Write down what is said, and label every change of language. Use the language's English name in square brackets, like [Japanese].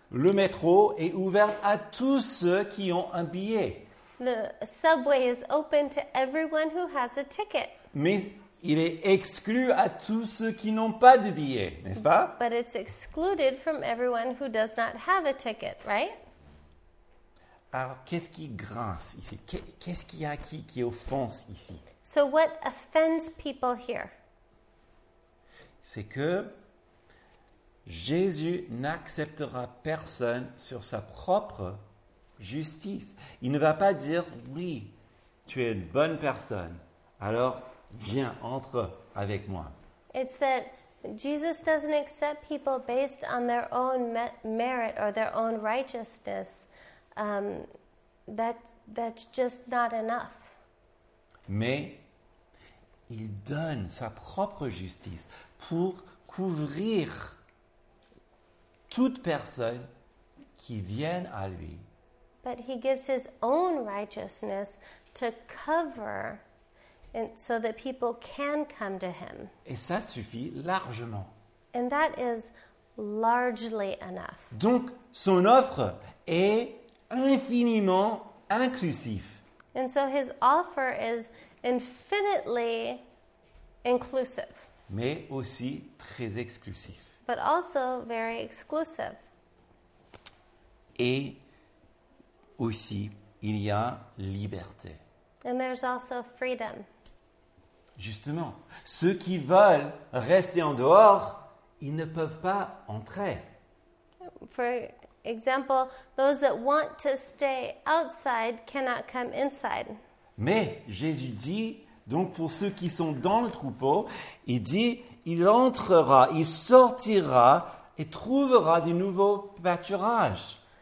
[French] Le métro est ouvert à tous ceux qui ont un billet. [English] The subway is open to everyone who has a ticket. [French] Mais il est exclu à tous ceux qui n'ont pas de billet, n'est-ce pas? [English] But it's excluded from everyone who does not have a ticket, right? [French] Alors, qu'est-ce qui grince ici? Qu'est-ce qu'il y a qui offense ici? [English] So what offends people here? [French] C'est que Jésus n'acceptera personne sur sa propre justice. Il ne va pas dire, oui, tu es une bonne personne, alors viens, entre avec moi. [English] It's that Jesus doesn't accept people based on their own merit or their own righteousness. That's just not enough. [French] Mais il donne sa propre justice pour couvrir toute personne qui vient à lui. [English] But he gives his own righteousness to cover and so that people can come to him. [French] Et ça suffit largement. [English] And that is largely enough. [French] Donc son offre est infiniment inclusif. [English] And so his offer is infinitely inclusive. [French] Mais aussi très exclusif. [English] But also very exclusive. [French] Et aussi, il y a liberté. [English] And there's also freedom. [French] Justement, ceux qui veulent rester en dehors, ils ne peuvent pas entrer. [English] For example, those that want to stay outside cannot come inside. [French] Mais Jésus dit, donc pour ceux qui sont dans le troupeau, il dit, il entrera, il sortira et trouvera de nouveaux pâturages.